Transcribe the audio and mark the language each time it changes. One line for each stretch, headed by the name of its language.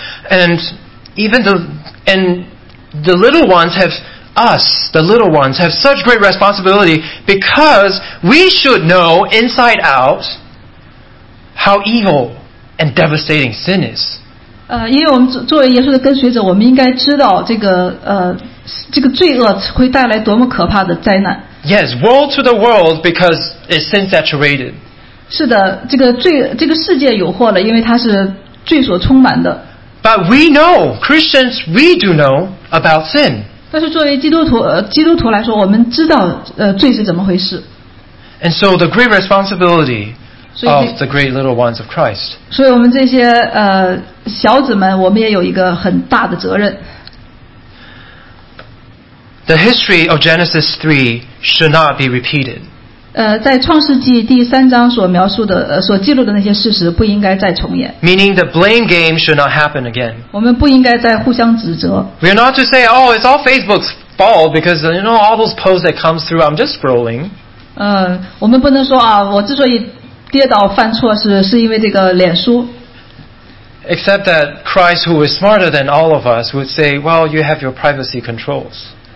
English: And even the little ones have us, the little ones, have such great responsibility because we should know inside out how evil and devastating sin is.
Chinese: 因为我们作为耶稣的跟随者，我们应该知道这个罪恶会带来多么可怕的灾难。
English: Yes, woe to the world because it's sin saturated.
Chinese: 是的，这个世界有祸了，因为它是罪所充满的。
English: But we know, Christians, we do know about sin.
Chinese: 但是作为基督徒来说，我们知道罪是怎么回事。
English: And so the great responsibility of the great little ones of Christ.
Chinese: 所以我们这些小子们，我们也有一个很大的责任。
English: The history of Genesis 3 should not be repeated.
Chinese: 在创世纪第三章所描述的所记录的那些事实不应该再重演。
English: Meaning the blame game should not happen again.
Chinese: 我们不应该再互相指责。
English: We are not to say, oh, it's all Facebook's fault because you know all those posts that come through. I'm just scrolling.
Chinese: 我们不能说啊，我之所以跌倒犯错是因为这个脸书。
English: Except that Christ, who is smarter than all of us, would say, well, you have your privacy controls.